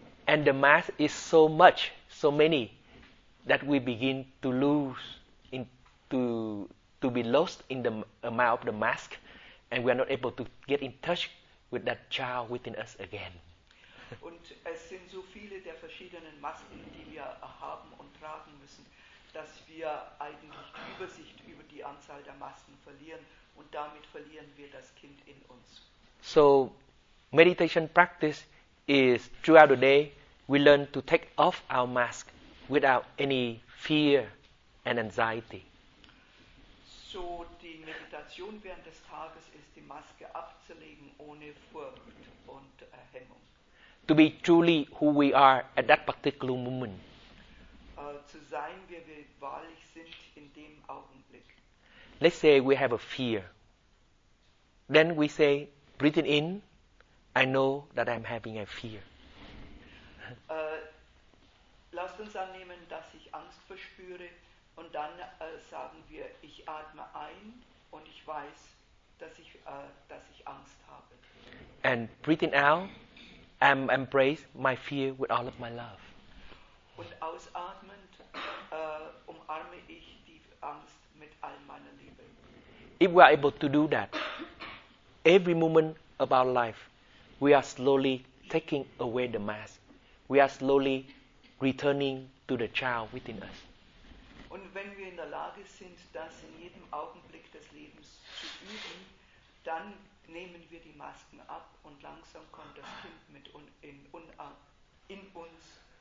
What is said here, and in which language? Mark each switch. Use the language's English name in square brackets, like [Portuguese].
[English] And the mask is so much, so many, that we begin to lose, to be lost in the amount of the mask, and we are not able to get in touch with that child within us again. [German] Und es sind so viele der verschiedenen Masken, die wir haben und tragen müssen, dass wir eigentlich die Übersicht über die Anzahl der Masken verlieren und damit verlieren wir das Kind in uns. [English] So, meditation practice is throughout the day, we learn to take off our mask without any fear and anxiety. [German] So, die Meditation während des Tages ist, die Maske abzulegen ohne Furcht und Hemmung. [English] To be truly who we are at that particular moment. [German] Zu sein, wie wir wahrlich sind in dem Augenblick. [English] Let's say we have a fear. Then we say, breathing in, I know that I'm having a fear. [German] Lasst uns annehmen, dass ich Angst verspüre und dann sagen wir, ich atme ein und ich weiß, dass ich Angst habe. [English] And breathing out, I embrace my fear with all of my love. [German] Und ausatmend umarme ich die Angst mit all meiner Liebe. [English] If we are able to do that, every moment of our life, we are slowly taking away the mask. We are slowly returning to the child within us. [German] Und wenn wir in der Lage sind, das in jedem Augenblick des Lebens zu üben, dann nehmen wir die Masken ab und langsam kommt das Kind mit in uns.